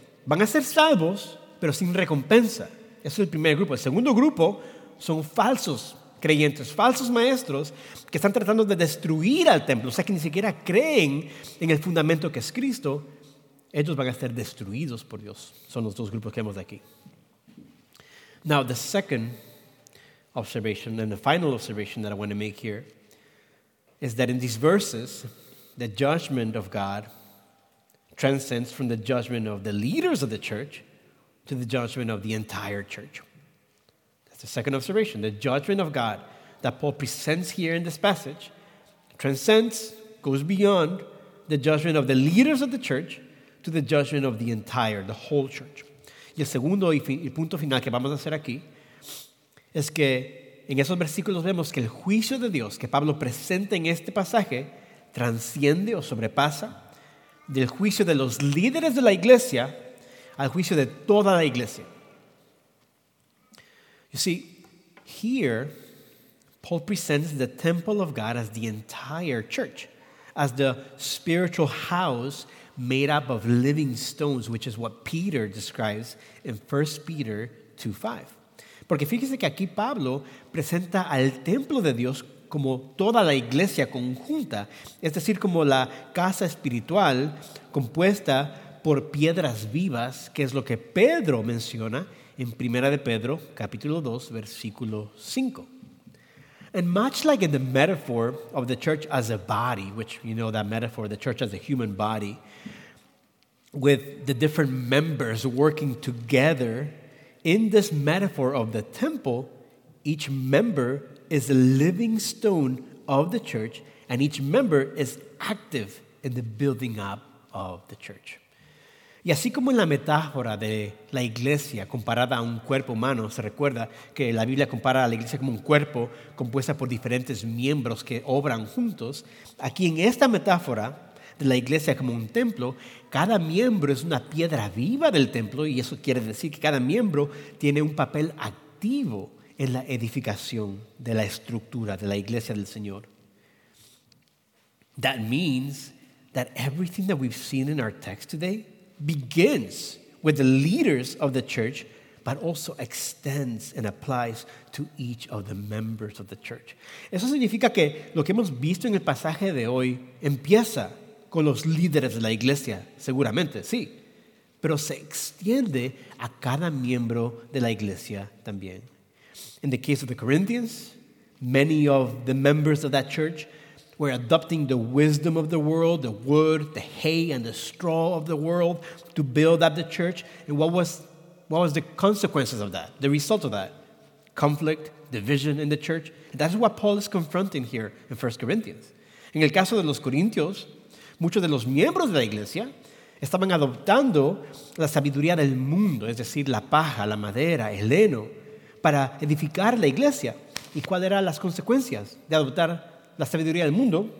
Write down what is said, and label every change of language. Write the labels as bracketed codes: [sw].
[es] Van a ser salvos, pero sin recompensa. Ese es el primer grupo. El segundo grupo son falsos creyentes, falsos maestros que están tratando de destruir al templo. O sea, que ni siquiera creen en el fundamento que es Cristo. Ellos van a ser destruidos por Dios. Son los dos grupos que vemos de aquí. [en] Now, the second observation and the final observation that I want to make here is that in these verses, the judgment of God transcends from the judgment of the leaders of the church to the judgment of the entire church. That's the second observation. The judgment of God that Paul presents here in this passage transcends, goes beyond the judgment of the leaders of the church to the judgment of the entire, the whole church. [es] Y el segundo y punto final que vamos a hacer aquí es que en esos versículos vemos que el juicio de Dios que Pablo presenta en este pasaje transciende o sobrepasa del juicio de los líderes de la iglesia al juicio de toda la iglesia. [en] You see, here Paul presents the temple of God as the entire church, as the spiritual house made up of living stones, which is what Peter describes in 1 Peter 2:5. [es] Porque fíjese que aquí Pablo presenta al templo de Dios como toda la iglesia conjunta, es decir, como la casa espiritual compuesta por piedras vivas, que es lo que Pedro menciona en 1 Pedro capítulo 2, versículo 5. [en] And much like in the metaphor of the church as a body, which, you know, that metaphor, the church as a human body, with the different members working together, in this metaphor of the temple, each member is a living stone of the church, and each member is active in the building up of the church. [es] Y así como en la metáfora de la iglesia comparada a un cuerpo humano, se recuerda que la Biblia compara a la iglesia como un cuerpo compuesta por diferentes miembros que obran juntos, aquí en esta metáfora de la iglesia como un templo, cada miembro es una piedra viva del templo, y eso quiere decir que cada miembro tiene un papel activo en la edificación de la estructura de la iglesia del Señor. [en] That means that everything that we've seen in our text today begins with the leaders of the church, but also extends and applies to each of the members of the church. [es] Eso significa que lo que hemos visto en el pasaje de hoy empieza con los líderes de la iglesia, seguramente, sí. Pero se extiende a cada miembro de la iglesia también. [en] In the case of the Corinthians, many of the members of that church were adopting the wisdom of the world, the wood, the hay, and the straw of the world to build up the church. And what was the consequences of that, the result of that? Conflict, division in the church. And that's what Paul is confronting here in 1 Corinthians. [es] En el caso de los Corintios, muchos de los miembros de la iglesia estaban adoptando la sabiduría del mundo, es decir, la paja, la madera, el heno, para edificar la iglesia. ¿Y cuáles eran las consecuencias de adoptar la sabiduría del mundo?